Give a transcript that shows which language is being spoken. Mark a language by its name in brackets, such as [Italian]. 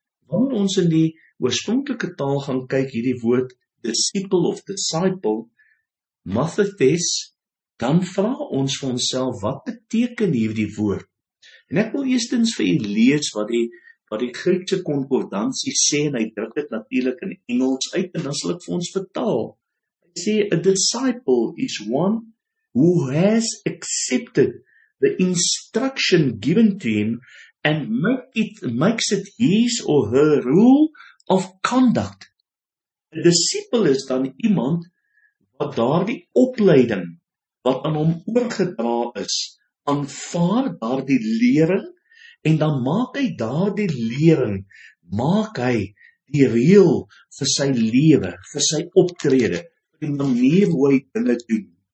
[Afrikaans] Wanneer ons in die oorspronklike taal gaan kyk, hierdie woord disciple of disciple, mathetes, dan vra ons vir onsself, wat beteken hierdie woord? En ek wil eerstens vir u lees wat die Griekse konkordansie sê, en hy druk dit natuurlik in Engels uit, en dan sal ek vir ons vertaal. Hy sê, [English] a disciple is one who has accepted the instruction given to him and makes it his or her rule of conduct. [Afrikaans] 'N disipel is dan iemand wat daardie opleiding wat aan hom oorgedra is, aanvaar daardie lering en dan maak hy daardie lering, maak hy die reël vir sy lewe, vir sy optrede, vir die manier hoe hy dinge doen.